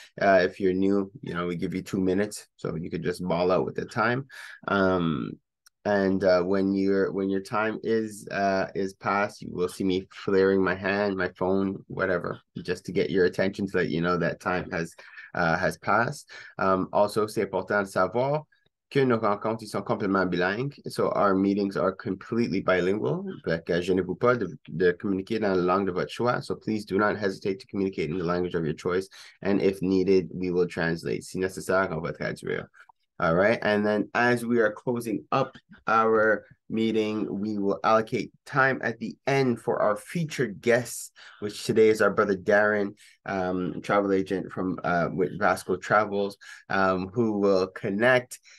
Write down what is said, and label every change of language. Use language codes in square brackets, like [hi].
[en] If you're new, you know, we give you 2 minutes, so you could just ball out with the time. When your time is passed, you will see me flaring my hand, my phone, whatever, just to get your attention, so that you know that time has passed. [fr] Also, c'est important de savoir que nos rencontres sont complètement bilingues. [en] So our meetings are completely bilingual. [fr] Donc, je ne vous pas de communiquer dans la langue de votre choix. [en] So please do not hesitate to communicate in the language of your choice. And if needed, we will translate. [fr] Si nécessaire, on va traduire. [en] All right. And then as we are closing up our meeting, we will allocate time at the end for our featured guests, which today is our brother Darren, travel agent from with Vasco Travels, who will connect.